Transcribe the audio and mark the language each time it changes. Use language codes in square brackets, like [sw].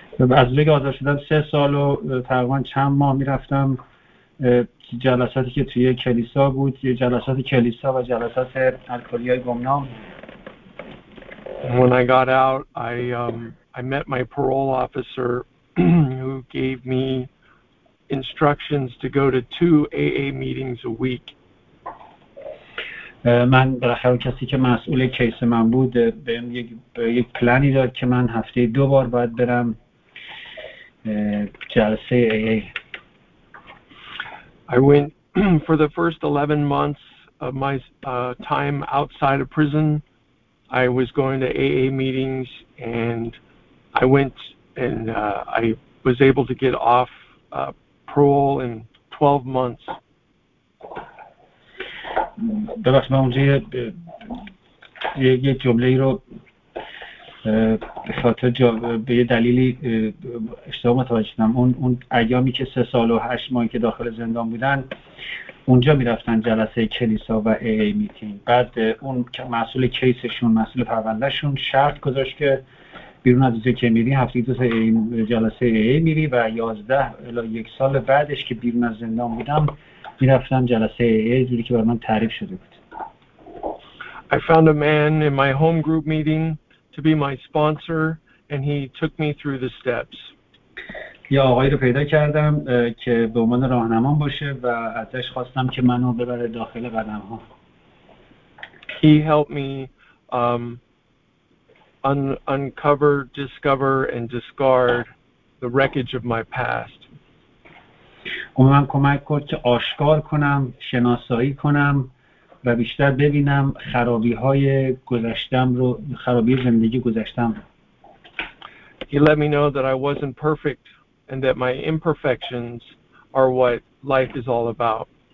[fa] از لیگ آزاد شدم 3 سال و تقریباً چند ماه می‌رفتم جلساتی که توی کلیسا بود، یه جلسات کلیسا و جلسات الکلی‌های گمنام. [en] When I got out, I met my parole officer who gave me instructions to go to 2 AA meetings a week. [fa] من بالاخره کسی که مسئول کیس من بود بهم یک پلانی داد که من هفته دو بار باید برم جلسه AA. [en] I went for the first 11 months of my time outside of prison. I was going to AA meetings, and I went and I was able to get off parole in 12 months. [fa] ببخش من اونجا یه جمله رو به خاطر به یه دلیلی اشتباه متوجه شدم. اون ایامی که 3 سال و 8 ماهی که داخل زندان بودن اونجا میرفتن جلسه کلیسا و ای ای میتینگ، بعد اون مسئول کیسشون، مسئول پرونده‌شون شرط گذاشت که بیرون از اونجا که میری هفته دو تا جلسه ای ای میری و 11 الی 1 سال بعدش که بیرون از زندان بودم می‌رفتم جلسه ای جوری که برای من تعریف شده بود. [en] I found a man in my home group meeting to be my sponsor and he took me through the steps. [fa] یه آقایی رو پیدا کردم که به عنوان راهنمام باشه و ازش خواستم که منو ببره داخل قدم‌ها. [en] He helped me uncover, discover and discard the wreckage of my past. [fa] اون من کمک کرد که آشکار کنم، شناسایی کنم و بیشتر ببینم خرابی‌های گذشتم رو، خرابی زندگی گذشتم. [en] He let me know that I wasn't perfect and that my imperfections are what life is all about.